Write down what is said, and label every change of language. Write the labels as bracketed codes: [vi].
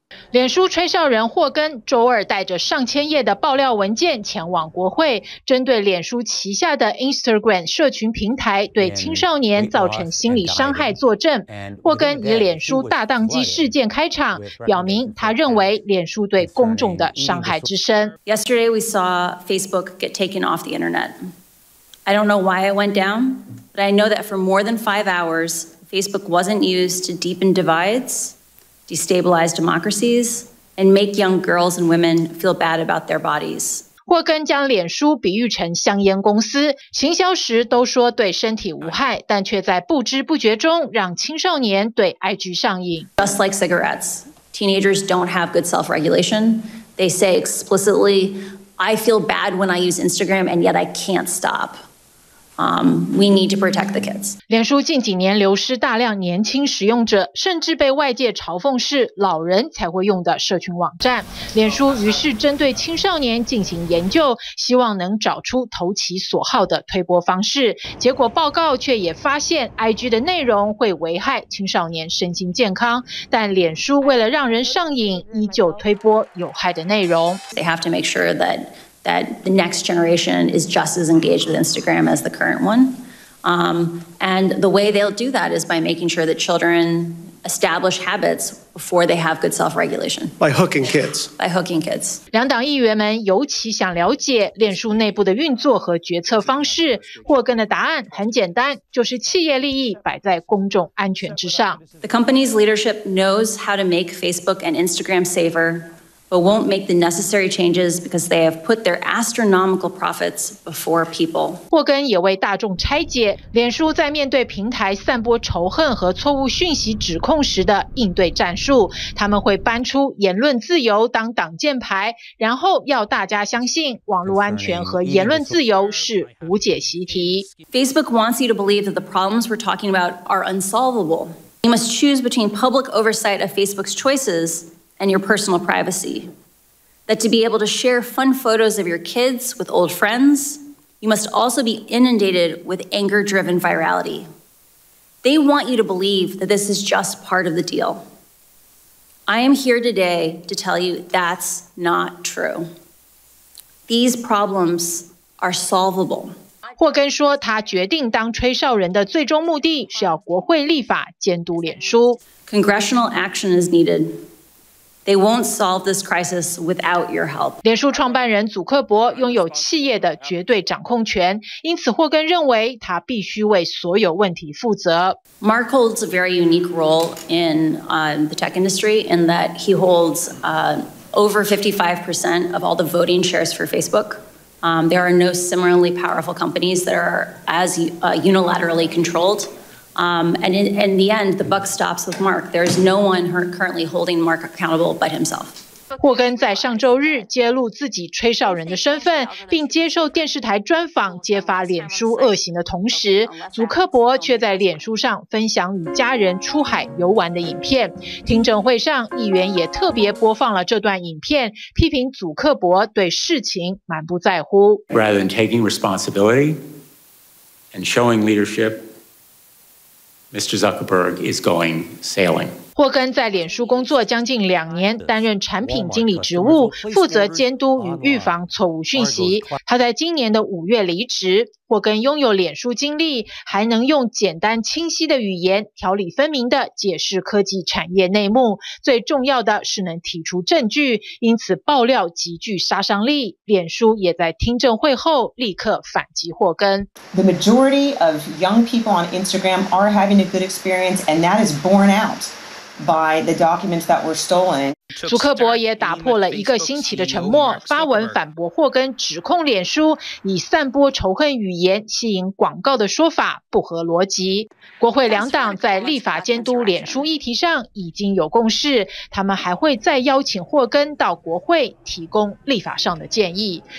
[zh] 脸书吹哨人霍根周二带着上千页的爆料文件前往国会，针对脸书旗下的 Instagram 社群平台对青少年造成心理伤害作证。霍根以脸书大宕机事件开场，表明他认为脸书对公众的伤害之深。 [en] Yesterday we saw Facebook get taken off the internet. I don't know why it went down, but I know that for more than 5 hours, Facebook wasn't used to deepen divides, destabilize democracies, and make young girls and women feel bad about their bodies. [zh] 霍根将脸书比喻成香烟公司，行销时都说对身体无害，但却在不知不觉中让青少年对 IG 上瘾。 [en] Just like cigarettes, teenagers don't have good self-regulation. They say explicitly, I feel bad when I use Instagram and yet I can't stop. We need to protect the kids. [zh] 脸书近几年流失大量年轻使用者，甚至被外界嘲讽是老人才会用的社群网站。脸书于是针对青少年进行研究，希望能找出投其所好的推播方式。结果报告却也发现 IG 的内容会危害青少年身心健康，但脸书为了让人上瘾，依旧推播有害的内容。 [en] They have to make sure that the next generation is just as engaged with Instagram as the current one. And the way they'll do that is by making sure that children establish habits before they have good self-regulation. By hooking kids. [zh] 两党议员们尤其想了解脸书内部的运作和决策方式。霍根的答案很简单，就是企业利益摆在公众安全之上。 [en] The company's leadership knows how to make Facebook and Instagram safer. But won't make the necessary changes because they have put their astronomical profits before people. [zh] 霍根也为大众拆解脸书在面对平台散播仇恨和错误讯息指控时的应对战术。他们会搬出言论自由当挡箭牌，然后要大家相信网络安全和言论自由是无解习题。 [en] Facebook wants you to believe that the problems we're talking about are unsolvable. You must choose between public oversight of Facebook's choices. And your personal privacy. That to be able to share fun photos of your kids with old friends, you must also be inundated with anger-driven virality. They want you to believe that this is just part of the deal. I am here today to tell you that's not true. These problems are solvable. [zh] 霍根说，他决定当吹哨人的最终目的是要国会立法监督脸书。 [en] Congressional action is needed. They won't solve this crisis without your help. [zh] 脸书创办人祖克伯拥有企业的绝对掌控权，因此霍根认为他必须为所有问题负责。 [en] Mark holds a very unique role in the tech industry in that he holds over 55% of all the voting shares for Facebook. There are no similarly powerful companies that are as unilaterally controlled. And in the end, the buck stops with Mark. There is no one currently holding Mark accountable but himself. [zh] 霍根在上周日揭露自己吹哨人的身份，并接受电视台专访，揭发脸书恶行的同时，祖克伯却在脸书上分享与家人出海游玩的影片。听证会上，议员也特别播放了这段影片，批评祖克伯对事情满不在乎。 [en] Rather than taking responsibility and showing leadership. Mr. Zuckerberg is going sailing. [zh] 霍根在脸书工作将近两年，担任产品经理职务，负责监督与预防错误讯息。他在今年的五月离职。霍根拥有脸书经历，还能用简单清晰的语言条理分明地解释科技产业内幕，最重要的是能提出证据，因此爆料极具杀伤力。脸书也在听证会后立刻反击霍根。 [en] The majority of young people on Instagram are having a good experience and that is borne outby the documents that were stolen. [zh] 祖克伯也打破了一个星期的沉默，发文反驳霍根指控脸书以散播仇恨语言吸引广告的说法不合逻辑。国会两党在立法监督脸书议题上已经有共识，他们还会再邀请霍根到国会提供立法上的建议。